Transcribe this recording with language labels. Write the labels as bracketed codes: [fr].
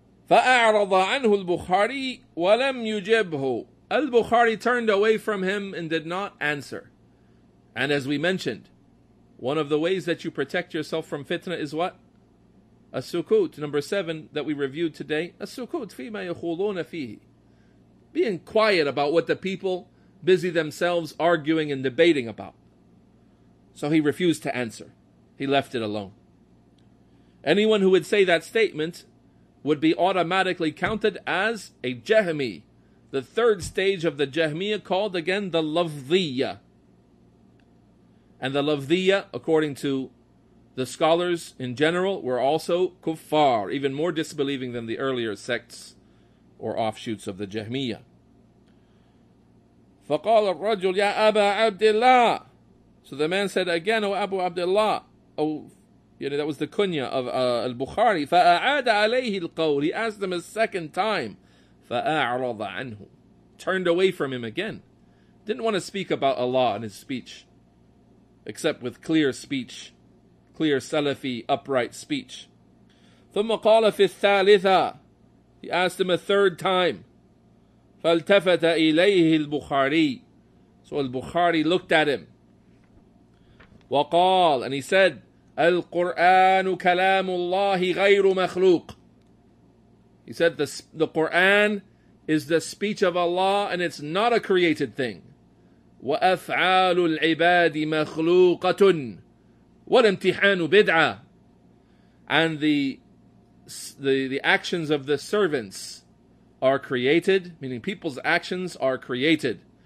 [ar] فَأَعْرَضَ عَنْهُ الْبُخَارِي وَلَمْ يُجِبْهُ. [en] Al-Bukhari turned away from him and did not answer. And as we mentioned, one of the ways that you protect yourself from fitna is what? As-sukut, number 7 that we reviewed today. [ar] As-sukut فِي مَا يَخُولُونَ فِيهِ. [en] Being quiet about what the people busy themselves arguing and debating about. So he refused to answer. He left it alone. Anyone who would say that statement would be automatically counted as a jahmi. The third stage of the jahmiya, called again the lafdhiyya. And the lafdhiyya, according to the scholars in general, were also kuffar, even more disbelieving than the earlier sects or offshoots of the jahmiya. [ar] فقال الرجل يا أبا عبد الله. [en] So the man said again, O Abu Abdullah, that was the kunya of al-Bukhari. [ar] فَأَعَادَ عَلَيْهِ الْقَوْلِ. [en] He asked him a second time. [ar] فَأَعْرَضَ عَنْهُ. [en] Turned away from him again. Didn't want to speak about Allah and his speech, except with clear speech, clear Salafi, upright speech. [ar] ثُمَّ قَالَ فِي الثَّالِثَةِ. [en] He asked him a third time. [ar] فَالْتَفَتَ إِلَيْهِ الْبُخَارِي. [en] So al-Bukhari looked at him. [ar] وَقَالَ. [en] And he said, [ar] الْقُرْآنُ كَلَامُ اللَّهِ غَيْرُ مَخْلُوقٍ. [en] He said, the Qur'an is the speech of Allah and it's not a created thing. [ar] وَأَفْعَالُ الْعِبَادِ مَخْلُوقَةٌ وَالْإِمْتِحَانُ بِدْعَةٌ. [en] And the actions of the servants are created, meaning people's actions are created.